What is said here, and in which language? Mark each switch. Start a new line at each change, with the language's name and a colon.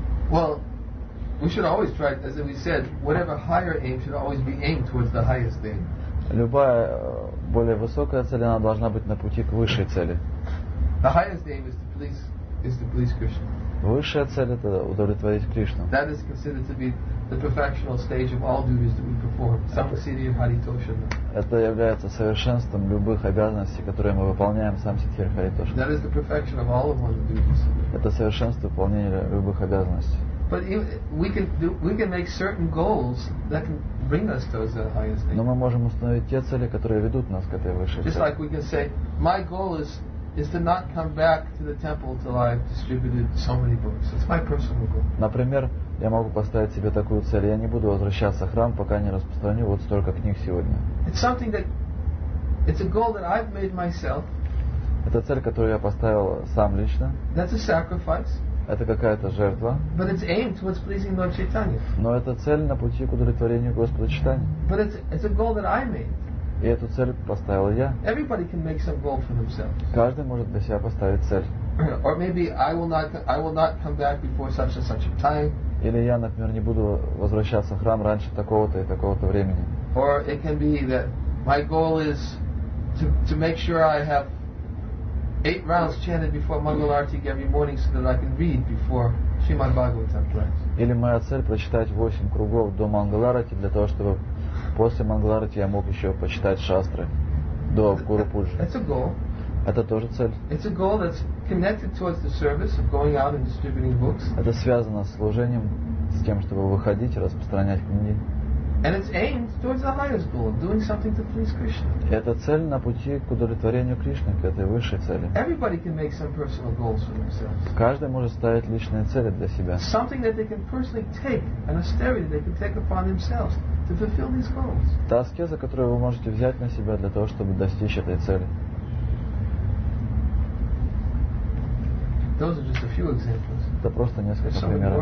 English: Well, we should always try, as we said, whatever higher aim should always be aimed towards the highest aim.
Russian: Любая более высокая цель, она должна быть на пути к высшей цели.
English: The highest aim is to please Krishna.
Russian: Высшая цель — это удовлетворить Кришну.
English: That is considered to be the perfectional stage of all duties that we perform.
Sanskrit: Samsidhiya Haritoshana.
Russian: Это является совершенством любых обязанностей, которые мы выполняем в
Sanskrit: Samsidhiya Haritoshana.
English: That is the perfection of all of one's duties.
Russian: Это совершенство выполнения любых обязанностей.
English: But we can make certain goals that can bring us to the highest aim.
Russian: Но мы можем установить те цели, которые ведут нас к этой высшей цели.
English: Just like we can say, my goal is to not come back to the temple till I've distributed so many books. It's my personal goal.
Russian: Например, я могу поставить себе такую цель: я не буду возвращаться в храм, пока не распространю вот столько книг сегодня.
English: It's a goal that I've made myself.
Russian: Это цель, которую я поставил сам лично.
English: That's a sacrifice.
Russian: Это какая-то жертва.
English: But it's aimed towards pleasing Lord Chaitanya.
Russian: Но это цель на пути к удовлетворению Господа Чайтаньи.
English: But it's a goal that I made.
Russian: И эту цель поставил я.
English: Everybody can make some goal for themselves.
Russian: Каждый может для себя поставить цель.
English: Or maybe I will not come back before such and such a time.
Russian: Или я, например, не буду возвращаться в храм раньше такого-то и такого-то времени.
English: Or it can be that my goal is to make sure I have 8 rounds chanted before Mangal Arati every morning so that I can read before Srimad Bhagavatam class.
Russian: Или моя цель — прочитать 8 кругов до Мангал Арати для того, чтобы после Мангал Арати я мог еще почитать шастры до Гуру Пуджи.
English: That's a goal.
Russian: Это тоже цель.
English: It's a goal that's connected towards the service of going out and distributing books.
Russian: Это связано с служением, с тем, чтобы выходить и распространять книги.
English: And it's aimed towards the highest goal, doing something to please Krishna.
Russian: Это цель на пути к удовлетворению Кришны, к этой высшей цели.
English: Everybody can make some personal goals for themselves.
Russian: Каждый может ставить личные цели для себя.
English: Something that they can personally take, an austerity they can take upon themselves to fulfill these goals.
Russian: Та аскеза, которую вы можете взять на себя для того, чтобы достичь этой цели.
English: Those are just a few examples.
Russian: Это просто несколько примеров.